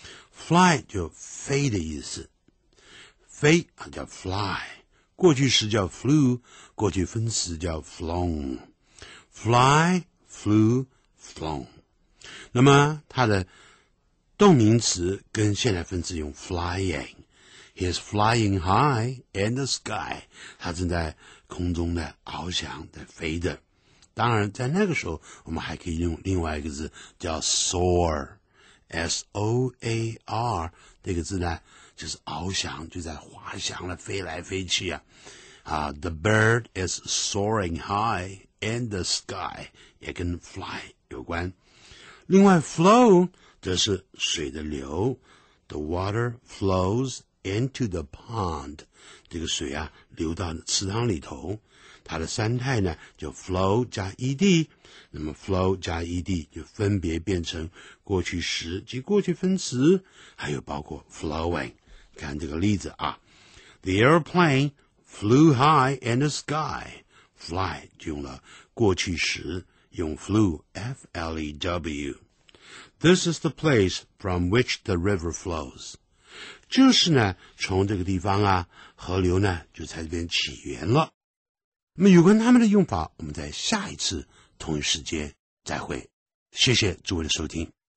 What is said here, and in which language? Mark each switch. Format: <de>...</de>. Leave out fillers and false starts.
<zh>fly 就飞的意思，飞啊叫 fly。过去时叫 flew, 过去分词叫 flown.</zh> <en>Fly, flew, flown.</en> <zh>那么他的动名词跟现在分词用 flying.</zh> <en>He's flying high in the sky.</en> <zh>他正在空中的翱翔的飞的。当然在那个时候我们还可以用另外一个字叫 soar. S-O-A-R, 这个字呢就是翱翔，就在滑翔了，飞来飞去啊！</zh> <en>啊、，the bird is soaring high in the sky，</en> <zh>也跟 fly 有关。另外 ，flow 这是水的流 ，</zh> <en>the water flows into the pond，</en> <zh>这个水啊流到池塘里头。它的三态呢，就 flow 加 ed， 那么 flow 加 ed 就分别变成过去时及过去分词，还有包括 flowing。看这个例子啊</zh> <en>，The airplane flew high in the sky.</en> <zh>Fly 就用了过去时，用 flew f l e w.</zh> <en>This is the place from which the river flows.</en> <zh>就是呢，从这个地方啊，河流呢就在这边起源了。那么有关他们的用法，我们在下一次同一时间再会。谢谢诸位的收听。</zh>